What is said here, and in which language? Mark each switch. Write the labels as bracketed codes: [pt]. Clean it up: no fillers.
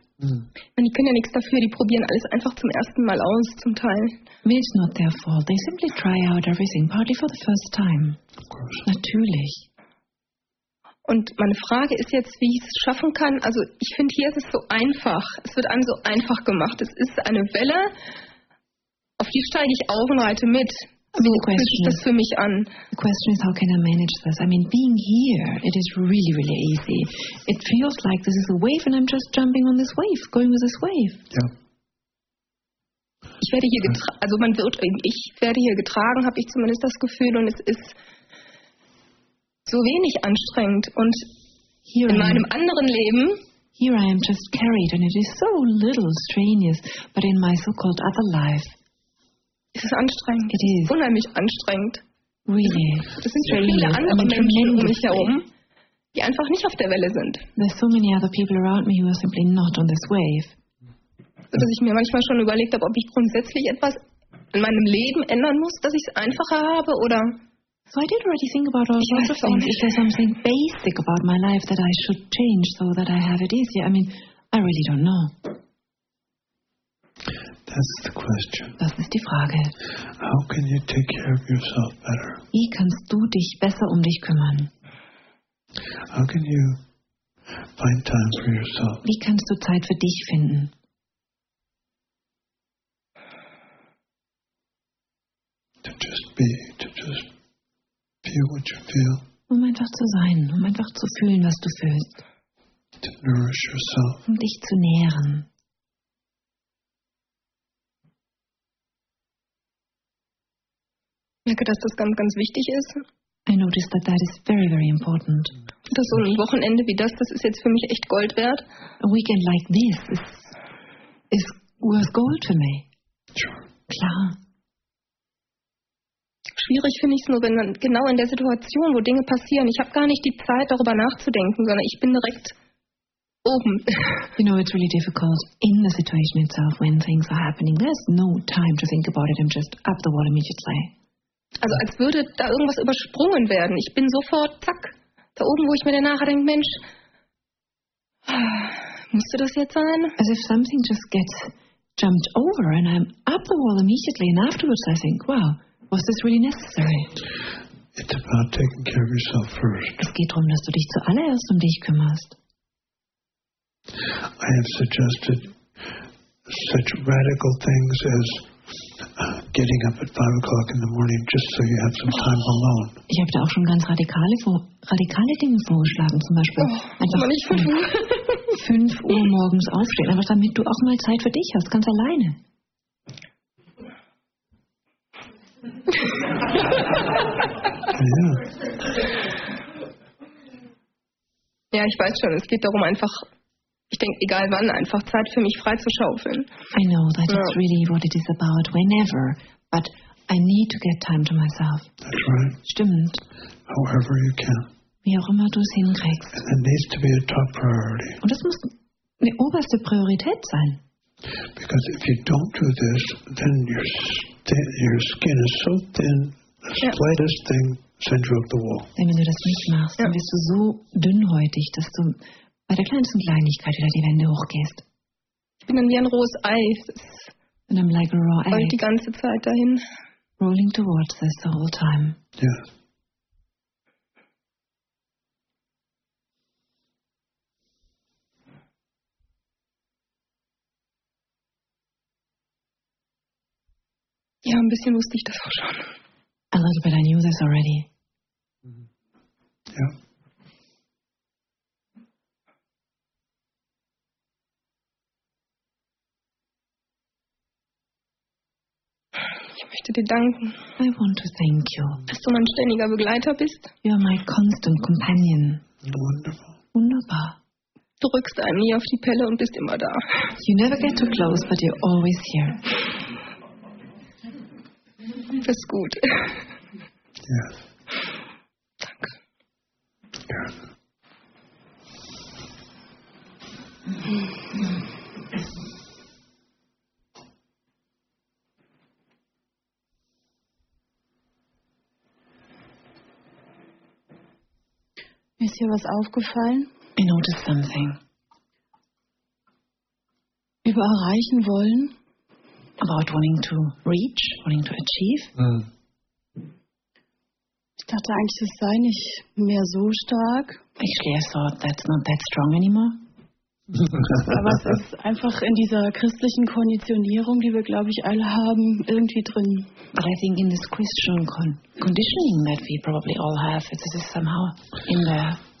[de] Mm. Und die können ja nichts dafür, die probieren alles einfach zum ersten Mal aus, zum Teil. [en] It's not their fault. They simply try out everything, partly for the first time. Of course. [de] Natürlich. Und meine Frage ist jetzt, wie ich es schaffen kann. Also ich finde, hier ist es so einfach. Es wird einem so einfach gemacht. Es ist eine Welle, auf die steige ich auf und reite mit. So fühlt sich das für mich an. [en] The question is, how can I manage this? I mean, being here, it is really, really easy. It feels like this is a wave and I'm just jumping on this wave, going with this wave. [de] Ja. Ich werde hier getragen, also man wird, ich werde hier getragen, habe ich zumindest das Gefühl, und es ist so wenig anstrengend. Und [en] here [de] in meinem anderen Leben, [en] here I am just carried and it is so little strenuous, but in my so-called other life, [de] es ist anstrengend. [en] It is. [de] Unheimlich anstrengend. [en] Really. [de] Das sind so viele andere Menschen um mich herum, die einfach nicht auf der Welle sind. [en] There's so many other people around me who are simply not on this wave. [de] So dass ich mir manchmal schon überlegt habe, ob ich grundsätzlich etwas in meinem Leben ändern muss, dass ich es einfacher habe, oder. [en] So I did already think about all sorts of things. Is there something basic about my life that I should change so that I have it easier? I mean, I really don't know. That's the question. [de] Das ist die Frage. [en] How can you take care of yourself better? [de] Wie kannst du dich besser um dich kümmern? [en] How can you find time for yourself? [de] Wie kannst du Zeit für dich finden? [en] To just feel what you feel. [de] Um einfach zu sein, um einfach zu fühlen, was du fühlst. [en] To nourish yourself. [de] Um dich zu nähren. Ich merke, dass das ganz, ganz wichtig ist. [en] I noticed that that is very, very important. [de] Dass so ein Wochenende wie das, das ist jetzt für mich echt Gold wert. [en] A weekend like this is worth gold for me. Sure. [de] Klar. Schwierig finde ich es nur, wenn man genau in der Situation, wo Dinge passieren, ich habe gar nicht die Zeit, darüber nachzudenken, sondern ich bin direkt oben. [en] You know, it's really difficult in the situation itself when things are happening. There's no time to think about it. I'm just up the wall immediately. [de] Also als würde da irgendwas übersprungen werden. Ich bin sofort, zack, da oben, wo ich mir danach denke, Mensch, musste das jetzt sein? [en] As if something just gets jumped over and I'm up the wall immediately and afterwards I think, wow, was this really necessary? It's about taking care of yourself first. [de] Es geht darum, dass du dich zuallererst um dich kümmerst. [en] I have suggested such radical things as getting up at 5 o'clock in the morning just so you have some time alone. [de] Ich habe da auch schon ganz radikale Dinge vorgeschlagen, zum Beispiel einfach 5 Uhr morgens aufstehen, einfach damit du auch mal Zeit für dich hast, ganz alleine. Ja, ich weiß schon, es geht darum einfach, ich denke, egal wann, einfach Zeit für mich freizuschaufeln. [en] I know, that is really what it is about, whenever. But I need to get time to myself. That's right. [de] Stimmt. [en] However you can. [de] Wie auch immer du es hinkriegst. [en] And it needs to be a top priority. [de] Und das muss eine oberste Priorität sein. [en] Because if you don't do this, then your skin is so thin, the slightest thing sends you up the wall. [de] Denn wenn du das nicht machst, dann wirst du so dünnhäutig, dass du bei der kleinsten Kleinigkeit wieder die Wände hochgehst. Ich bin dann wie ein rohes Eis. [en] And I'm like a raw egg. [de] Rollt die ganze Zeit dahin. [en] Rolling towards us the whole time. Yeah. [de] Ja, ein bisschen wusste ich das auch schon. [en] A little bit, I knew this already. [de] Ja. Ich möchte dir danken. [en] I want to thank you. [de] Dass du mein ständiger Begleiter bist. [en] You are my constant companion. Wonderful. [de] Wunderbar. Du rückst einen nie auf die Pelle und bist immer da. [en] You never get too close, but you're always here. [de] Das ist gut. [en] Yes. [de] Danke. Ja. Ist hier was aufgefallen? [en] I noticed something. [de] Über erreichen wollen. [en] About wanting to reach, wanting to achieve. Mm. [de] Ich dachte eigentlich, es sei nicht mehr so stark. [en] Actually, I thought that's not that strong anymore. [de] Aber es ist einfach in dieser christlichen Konditionierung, die wir, glaube ich, alle haben, irgendwie drin. [en] But I think in this Christian conditioning that we probably all have, it is somehow in there.